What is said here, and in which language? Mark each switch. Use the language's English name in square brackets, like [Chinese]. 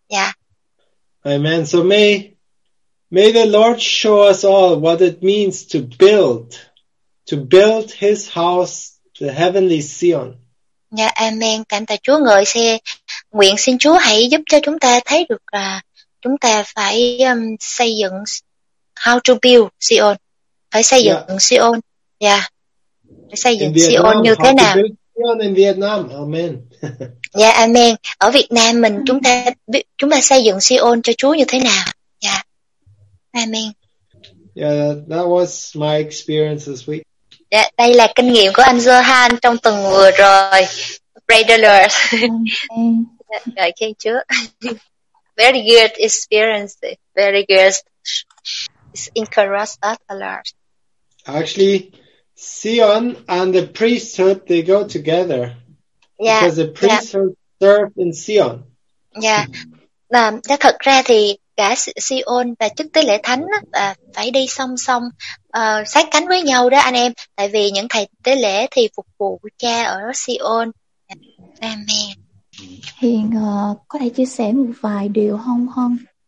[English] Yeah. Amen. So may the Lord show us all what it means to build. To build his house, the heavenly Zion. [Vietnamese] Yeah, amen. Cảm tạ Chúa ngợi xe. Nguyện xin Chúa hãy giúp cho chúng ta thấy được là chúng ta phải xây dựng, [English] how to build Zion. [Vietnamese] Phải xây dựng yeah. Zion. Yeah. Phải xây dựng [English] Vietnam, [Vietnamese] Zion như thế nào. [English] How to build Zion in Vietnam. Amen. Yeah, amen. [Vietnamese] Ở Việt Nam mình chúng ta xây dựng Zion cho Chúa như thế nào. [English] Yeah. Amen. Yeah, that was my experience this week. [Vietnamese] Yeah, đây là kinh nghiệm của anh Johan trong tuần vừa rồi. [English] Pray the Lord. [Vietnamese] Ngợi khen Chúa. [English] Very good experience. Very good. It's encouraged us a lot. Actually, Zion and the priesthood, they go together. Yeah. Because the priesthood serve in Zion. Yeah. [Vietnamese] Thật ra thì cả Zion và chức tế lễ thánh phải đi song song, sát cánh với nhau đó anh em. Tại vì những thầy tế lễ thì phục vụ cha ở Zion. Amen. Hiền có thể chia sẻ một vài điều không không?